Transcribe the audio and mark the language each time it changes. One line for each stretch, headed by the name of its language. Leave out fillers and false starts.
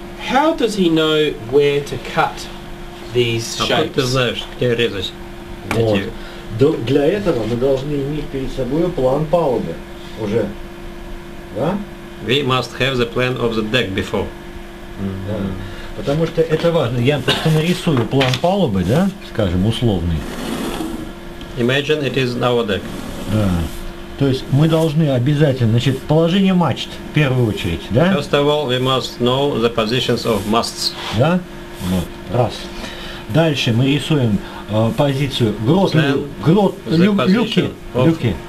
English: How does he know where to cut these shapes?
Russian: Где резать? Вот. Для этого мы должны иметь перед собой план палубы уже, да?
English: We must have the plan of the deck before.
Russian: Да. Потому что это важно. Я просто нарисую план палубы, да? Скажем, условный.
English: Imagine it is our deck.
Russian: Да. То есть мы должны обязательно, значит, положение мачт в первую очередь, да?
English: First of all, we must know the positions of masts.
Russian: Да? Вот. Раз. Дальше мы рисуем позицию грот люки.